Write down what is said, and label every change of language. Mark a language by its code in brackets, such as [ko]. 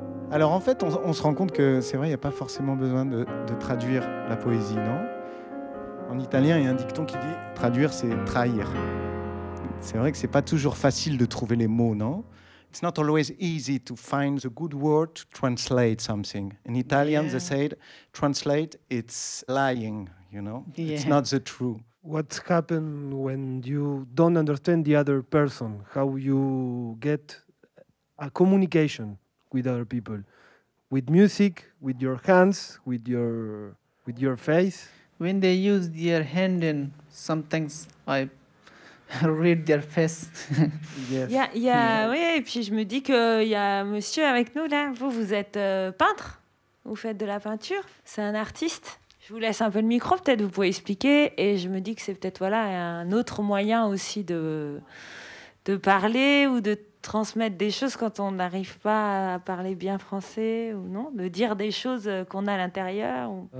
[fr] Alors en fait, on se rend compte que c'est vrai, il n'y a pas forcément besoin de traduire la poésie, non? En italien, il y a un dicton qui dit « traduire, c'est trahir ». C'est vrai que ce n'est pas toujours facile de trouver les mots, non? [en] It's not always easy to find the good word to translate something. In Italian, yeah. They said « translate, it's lying, you know? Yeah. It's not the truth. » What happens when you don't understand the other person? How you get a communication with other people, with music, with your hands, with your face. When they use their hand and sometimes I read their face. Yes. [fr] Oui, et puis je me dis qu'il y a monsieur avec nous là. Vous êtes peintre, vous faites de la peinture, c'est un artiste. Je vous laisse un peu le micro, peut-être vous pouvez expliquer. Et je me dis que c'est peut-être voilà, un autre moyen aussi de parler ou de transmettre des choses quand on n'arrive pas à parler bien français ou non, de dire des choses qu'on a à l'intérieur ou...